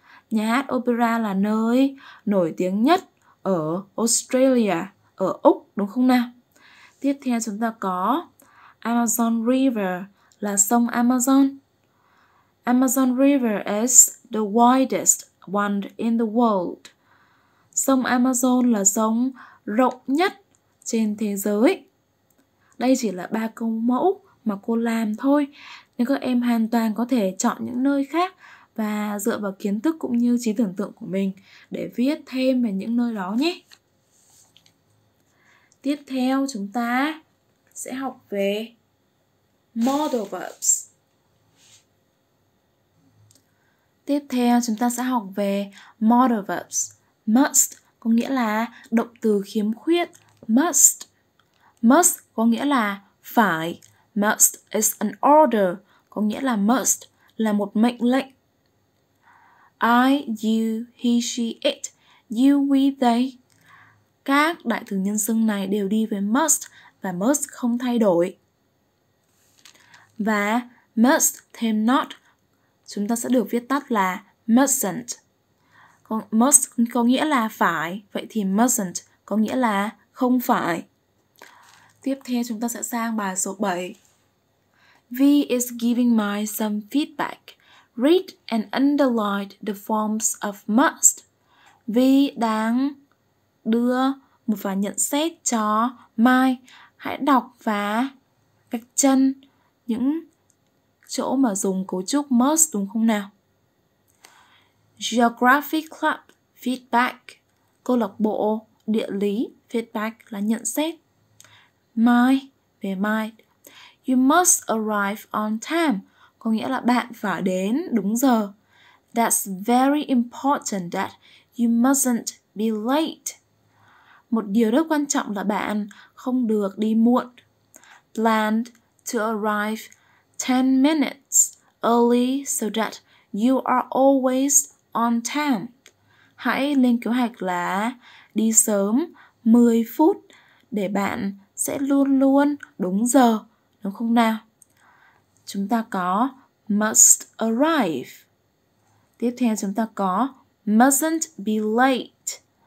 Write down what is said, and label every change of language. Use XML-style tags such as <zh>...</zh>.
<vi>Nhà hát opera là nơi nổi tiếng nhất ở Australia, ở Úc, đúng không nào? Tiếp theo chúng ta có Amazon River là sông Amazon.</vi> <en>Amazon River is the widest one in the world.</en> <vi>Sông Amazon là sông rộng nhất trên thế giới. Đây chỉ là ba câu mẫu mà cô làm thôi. Nên các em hoàn toàn có thể chọn những nơi khác và dựa vào kiến thức cũng như trí tưởng tượng của mình để viết thêm về những nơi đó nhé. Tiếp theo chúng ta sẽ học về modal verbs. Tiếp theo chúng ta sẽ học về modal verbs. Must có nghĩa là động từ khiếm khuyết. Must. Must có nghĩa là phải.</vi> <en>Must is an order.</en> <vi>Có nghĩa là must là một mệnh lệnh.</vi> <en>I, you, he, she, it, you, we, they.</en> <vi>Các đại từ nhân xưng này đều đi với must và must không thay đổi. Và must thêm not chúng ta sẽ được viết tắt là mustn't. Must có nghĩa là phải, vậy thì mustn't có nghĩa là không phải. Tiếp theo chúng ta sẽ sang bài số 7.</vi> <en>V is giving my some feedback. Read and underline the forms of must.</en> <vi>V đang đưa một vài nhận xét cho Mai. Hãy đọc và gạch chân những chỗ mà dùng cấu trúc must đúng không nào?</vi> <en>Geography Club feedback.</en> <vi>Câu lạc bộ địa lý feedback là nhận xét.</vi> <en>Mai,</en> <vi>về Mai.</vi> <en>You must arrive on time.</en> <vi>Có nghĩa là bạn phải đến đúng giờ.</vi> <en>That's very important that you mustn't be late.</en> <vi>Một điều rất quan trọng là bạn không được đi muộn.</vi> <en>Planned to arrive 10 minutes early so that you are always on time.</en> <vi>Hãy lên kế hoạch là đi sớm 10 phút để bạn sẽ luôn luôn đúng giờ, đúng không nào? Chúng ta có must arrive. Tiếp theo chúng ta có mustn't be late.</vi>